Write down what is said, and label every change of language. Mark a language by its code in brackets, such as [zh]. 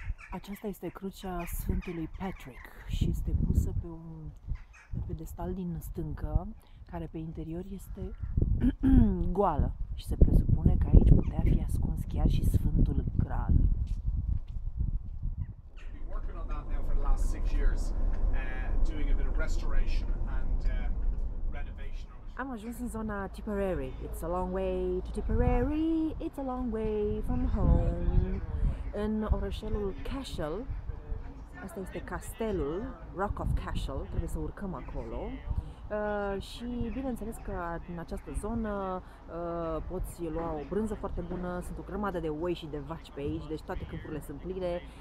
[ro] Aceasta este crucea Sfântului Patrick și este pusă pe un pedestal din stâncă, care pe interior este goală. Și se presupune că aici putea fi ascuns chiar și Sfântul Graal. [en] Working on that now for the last 6 years, doing a bit of restoration and renovation. [ro] Am ajuns în zona Tipperary. [en] It's a long way to Tipperary. It's a long way from home. [ro] În orășelul Cashel. Asta este castelul Rock of Cashel. Trebuie să urcăm acolo. Și bineînțeles că în această zonă poți lua o brânză foarte bună, sunt o grămadă de oi și de vaci pe aici, deci toate câmpurile sunt pline.